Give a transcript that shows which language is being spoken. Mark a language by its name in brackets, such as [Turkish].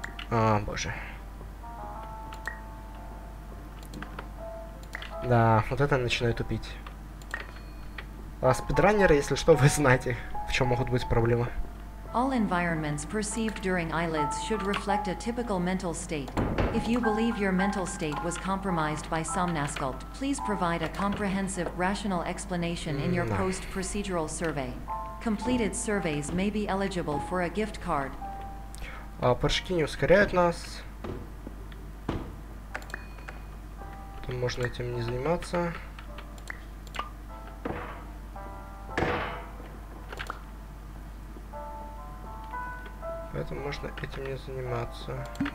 [Russian] А, боже. Да, вот это начинает тупить. А спидранеры, если что, вы знаете, в чем могут быть проблемы. [English] All environments perceived during eyelids should reflect a typical mental state. If you believe your mental state was compromised by Somnasculpt, please provide a comprehensive, rational explanation in your post-procedural survey. Completed surveys may be eligible for a gift card. [Russian] А прыжки не ускоряют нас. То можно этим не заниматься. Поэтому можно этим не заниматься.